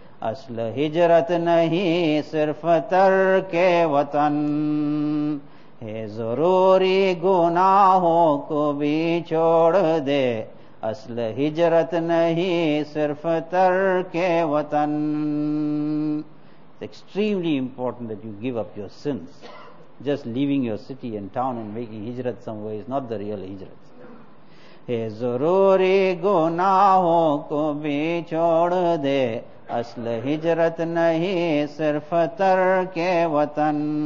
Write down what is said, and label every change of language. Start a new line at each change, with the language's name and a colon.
Urdu: اصل ہجرت نہیں صرف ترک وطن. ہے ضروری گناہوں کو بھی چھوڑ دے اصل ہجرت نہیں صرف ترک وطن.
English: It's extremely important that you give up your sins. Just leaving your city and town and making hijrat somewhere is not the real hijrat.
Urdu: ہے ضروری گناہوں کو بھی چھوڑ دے اصل ہجرت نہیں صرف ترک وطن.